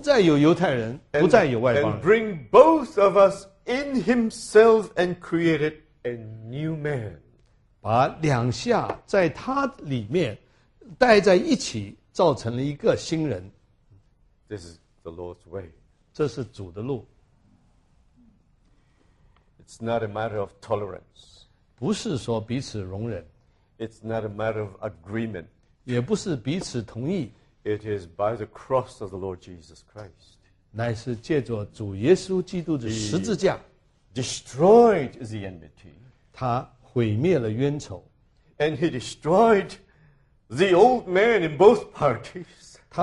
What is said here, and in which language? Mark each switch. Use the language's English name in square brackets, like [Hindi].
[Chinese] 在那里他了结了犹太人,也了结了外邦人,就不再有犹太人,不再有外邦人。 [English] And bring both of us in himself and created a new man. [Chinese] 把两下在他里面, 带在一起造成了一个新人。 [English] This is the Lord's way. [Chinese] 这是主的路。 [English] It's not a matter of tolerance. [Chinese] 不是说彼此容忍。 [English] It's not a matter of agreement. [Chinese] 也不是彼此同意。 [English] It is by the cross of the Lord Jesus Christ. [Chinese] 乃是借着主耶稣基督的十字架。 [English] He destroyed the enmity. [Chinese] 他毁灭了冤仇。 [English] And he destroyed the old man in both parties.